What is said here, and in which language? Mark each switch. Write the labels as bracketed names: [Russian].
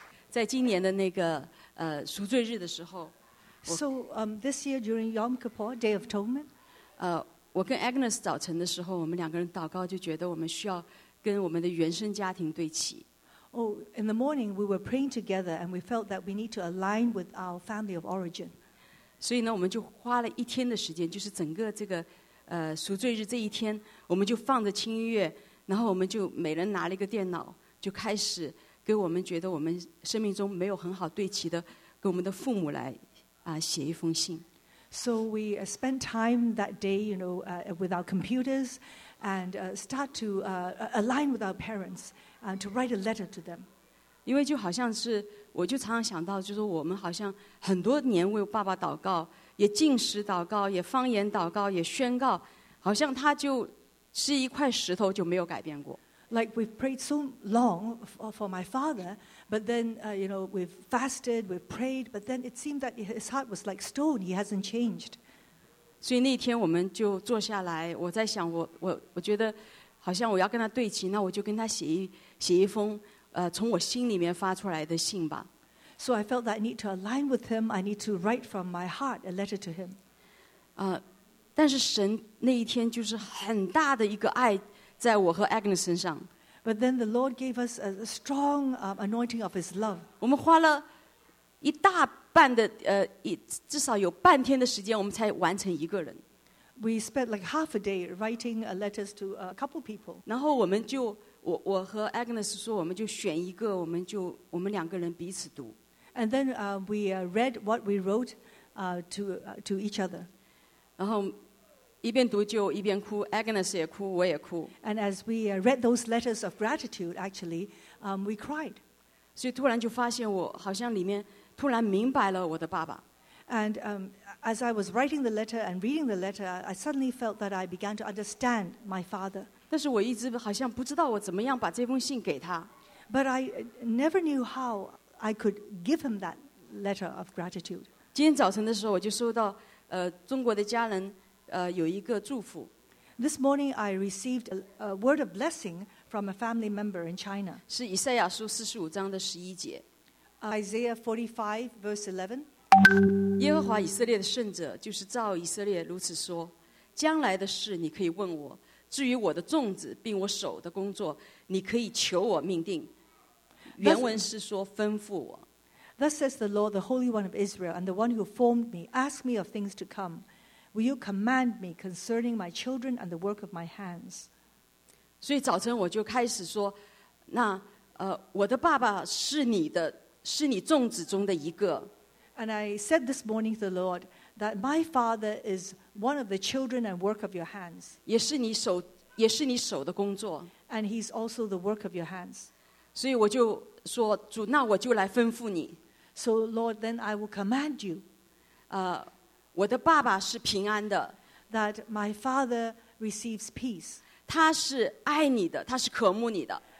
[Chinese] 在今年的那个赎罪日的时候, [English] So this year during Yom Kippur, Day of Atonement, [Chinese] 我跟 Agnes 早晨的时候, 我们两个人祷告, 就觉得我们需要跟我们的原生家庭对齐。 [English] Oh, in the morning, we were praying together, and we felt that we need to align with our family of origin. [Chinese] 所以呢, 我们就花了一天的时间, 就是整个这个, 赎罪日这一天, 我们就放着轻音乐, 然后我们就每人拿了一个电脑, 就开始跟我们觉得我们生命中没有很好对齐的, 跟我们的父母来, 写一封信。 [English] So we spent time that day, you know, with our computers, and start to align with our parents, to write a letter to them. [Chinese] 因为就好像是，我就常常想到，就是我们好像很多年为爸爸祷告，也进食祷告，也方言祷告，也宣告，好像他就是一块石头就没有改变过。 [English] Like we've prayed so long for my father, but then, you know, we've fasted, we've prayed, but then it seemed that his heart was like stone. He hasn't changed. [Chinese] 所以那天我们就坐下来，我在想，我觉得好像我要跟他对齐，那我就跟他写一封，从我心里面发出来的信吧。 [English] So I felt that I need to align with him. I need to write from my heart a letter to him. [Chinese] 但是神那一天就是很大的一个爱。在我和 Agnes 身上 [English] But then the Lord gave us a strong anointing of His love. [Chinese] 我们花了一大半的至少有半天的时间，我们才完成一个人。 [English] We spent like half a day writing letters to a couple people. [Chinese] 然后我们就我和 Agnes 说，我们就选一个，我们两个人彼此读。 [English] And then we read what we wrote to each other. [Chinese] 然后。一边读就一边哭 ，Agnes 也哭，我也哭。 [English] And as we read those letters of gratitude, actually, we cried. [Chinese] 所以突然就发现我好像里面突然明白了我的爸爸。 [English] And as I was writing the letter and reading the letter, I suddenly felt that I began to understand my father. [Chinese] 但是我一直好像不知道我怎么样把这封信给他。 [English] But I never knew how I could give him that letter of gratitude. [Chinese] 今天早晨的时候，我就收到中国的家人。有一个祝福。 [English] This morning I received a word of blessing from a family member in China. [Chinese] 是以赛亚书四十五章的十一节。 [English] Isaiah 45 verse [Chinese] 11。耶和华以色列的圣者，就是造以色列如此说：将来的事你可以问我，至于我的种子并我手的工作，你可以求我命定。原文是说吩咐我。 [English] Thus says the Lord, the Holy One of Israel, and the One who formed me, ask me of things to come. Will you command me concerning my children and the work of my hands? [Chinese] 所以早晨我就开始说，那我的爸爸是你的，是你众子中的一个。 [English] And I said this morning to the Lord that my father is one of the children and work of your hands. [Chinese] 也是你手的工作。 [English] And he's also the work of your hands. [Chinese] 所以我就说，主，那我就来吩咐你。 [English] So Lord, then I will command you. [Chinese] 我的爸爸是平安的 [English] ，that my father receives peace. [Chinese] 他是爱你的，他是渴慕你的